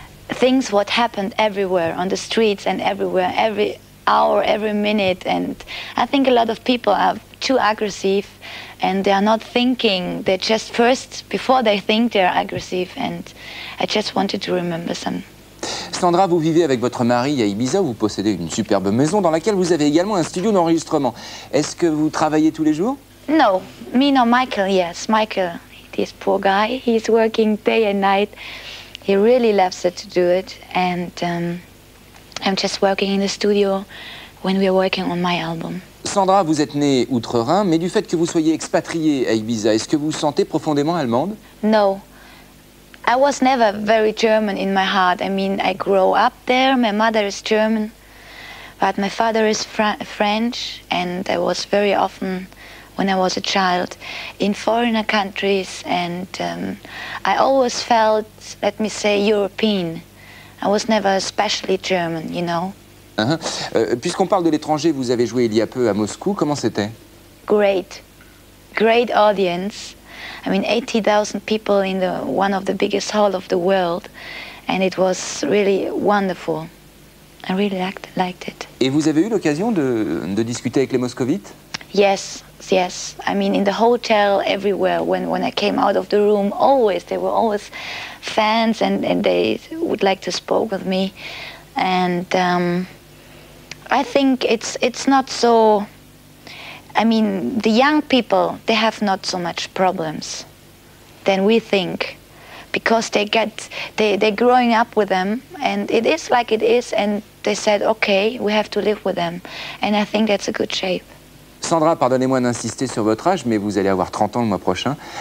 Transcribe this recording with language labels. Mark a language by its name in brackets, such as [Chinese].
[English] Things what happened everywhere, on the streets and everywhere, every hour, every minute, and I think a lot of people are too aggressive and they are not thinking, they just first, before they think they are aggressive, and I just wanted to remember some. [French] Sandra, vous vivez avec votre mari à Ibiza, vous possédez une superbe maison dans laquelle vous avez également un studio d'enregistrement. Est-ce que vous travaillez tous les jours? [English] No, me no, Michael, yes, Michael, this poor guy, he's working day and night. He really loves it to do it, and I'm just working in the studio when we're working on my album. [French] Sandra, vous êtes née outre-Rhin, mais du fait que vous soyez expatriée à Ibiza, est-ce que vous vous sentez profondément allemande? [English] No, I was never very German in my heart. I mean, I grew up there. My mother is German, but my father is French, and I was very often, when I was a child, in foreign countries, and I always felt, let me say, European. I was never especially German, you know. [French] Puisqu'on parle de l'étranger, vous avez joué il y a peu à Moscou, comment c'était? [English] Great. Great audience. I mean, 80,000 people in the one of the biggest hall of the world, and it was really wonderful. I really liked it. [French] Et vous avez eu l'occasion de discuter avec les Moscovites? [English] Yes. Yes, I mean in the hotel, everywhere, when I came out of the room, always, there were always fans and they would like to spoke with me. And I think it's not so, I mean, the young people, they have not so much problems than we think, because they get, they're growing up with them, and it is like it is, and they said, okay, we have to live with them. And I think that's a good shape. [French] Sandra, pardonnez-moi d'insister sur votre âge, mais vous allez avoir 30 ans le mois prochain.